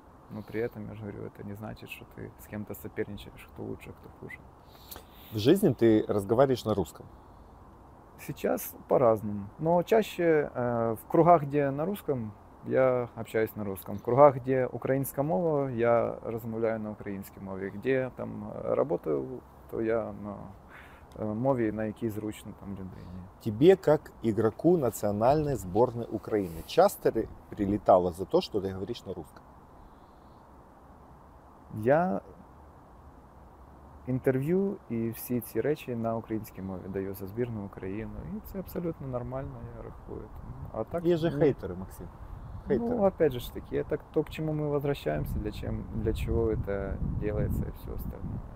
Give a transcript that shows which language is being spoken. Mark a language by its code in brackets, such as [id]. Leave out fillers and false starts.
[ru] Но при этом, я же говорю, это не значит, что ты с кем-то соперничаешь, кто лучше, кто хуже. В жизни ты разговариваешь на русском? Сейчас по-разному, но чаще в кругах, где на русском, я общаюсь на русском. В кругах, где украинская мова, я размовляю на украинской мове. [uk] Где там работаю, то я на мове, на якій зручно там людині. [ru] Тебе, как игроку национальной сборной Украины, часто ли прилетало за то, что ты говоришь на русском? [uk] Я інтерв'ю і всі ці речі на українській мові даю за збірну Україну. І це абсолютно нормально, я рахую. А так, є же хейтери, Максим. Хейтери. Ну, опять же ж таки, так то, к чому ми возвращаємося, для чого це делається і все остальне.